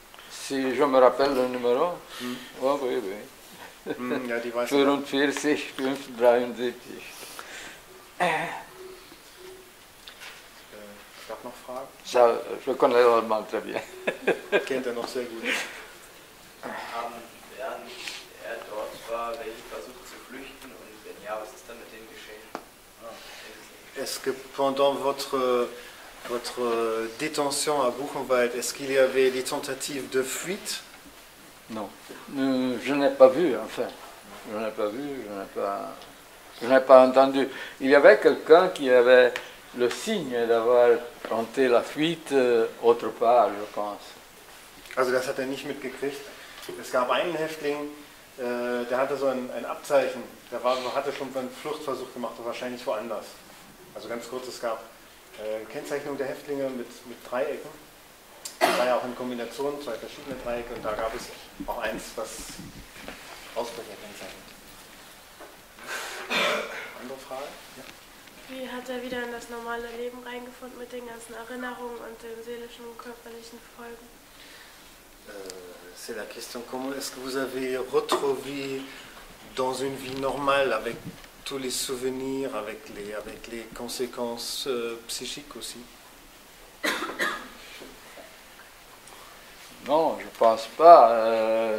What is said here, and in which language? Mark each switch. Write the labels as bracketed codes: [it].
[fr] Si je me rappelle le numéro. Oh, oui, oui. [de] Ja, die weiß 44, 5, 73. Ich habe noch Fragen. [fr] Ja, je connais l'allemand très bien. [de] Kennt er noch sehr gut. Während er dort war, welche versucht zu flüchten? Und wenn ja, was ist dann mit dem geschehen? [fr] Est-ce que pendant votre détention à Buchenwald, est-ce qu'il y avait des tentatives de fuite? Non. Je n'ai pas vu, enfin. Je n'ai pas vu, je n'ai pas. Je n'ai pas entendu. Il y avait quelqu'un qui avait le signe d'avoir tenté la fuite autre part, je pense. [de] Also das hat nicht mitgekriegt. Es gab einen Häftling, der hatte so ein Abzeichen. Der hatte schon einen Fluchtversuch gemacht, wahrscheinlich woanders. Also ganz kurz, es gab Kennzeichnung der Häftlinge mit Dreiecken. Das war ja auch in Kombination, zwei verschiedene Dreiecke. Und da gab es auch eins, was Ausbrecherkennzeichen. Andere Frage? Ja. Wie hat er wieder in das normale Leben reingefunden mit den ganzen Erinnerungen und den seelischen und körperlichen Folgen? [fr] C'est la question, comment est-ce que vous avez retrouvé dans une vie normale avec tous les souvenirs, avec les conséquences psychiques aussi? Non, je pense pas.